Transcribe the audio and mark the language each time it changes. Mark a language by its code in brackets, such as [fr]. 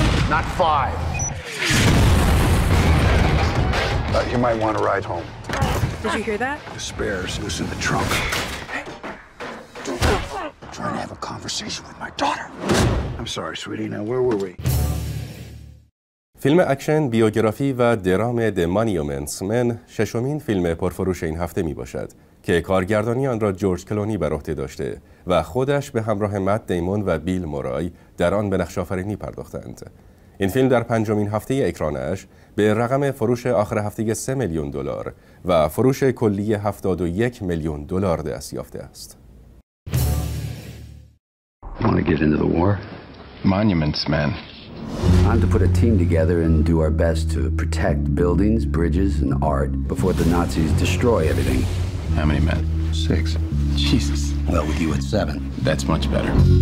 [en] Not five. You might want to ride home. Did you hear that? The spare's loose in the trunk. Trying to have a conversation with my daughter. I'm sorry, sweetie. Now, where were we? [fa] فیلم اکشن، بیوگرافی و درام The Monuments Men ششمین فیلم پرفروش این هفته می باشد که کارگردانی آن را جورج کلونی بر عهده داشته و خودش به همراه مت دیمون و بیل مورای در آن به نقش آفرینی پرداختند. این فیلم در پنجمین هفته اکرانش به رقم فروش آخر هفته 3 میلیون دلار و فروش کلی 71 میلیون دلار دست یافته است. [en] Time to put a team together and do our best to protect buildings, bridges, and art before the Nazis destroy everything. How many men? Six. Jesus. Well, with you at seven. That's much better.